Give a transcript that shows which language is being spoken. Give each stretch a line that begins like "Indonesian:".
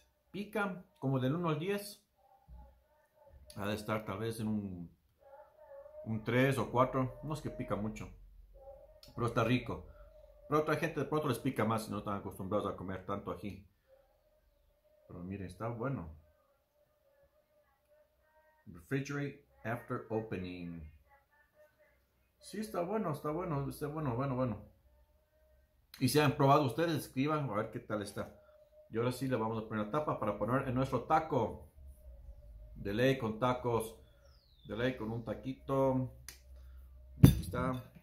Spanish: Pica como del 1 al 10. Ha de estar tal vez en un 3 o 4. No es que pica mucho. Pero está rico. Pero otra gente de pronto les pica más si no están acostumbrados a comer tanto ají. Pero miren, está bueno.
English: Refrigerate after opening.
Spanish: Sí, está bueno, está bueno. Está bueno. Y si han probado ustedes, escriban a ver qué tal está. Y ahora sí le vamos a poner la tapa para poner en nuestro taco. De ley con tacos. De ley con un taquito. Aquí está.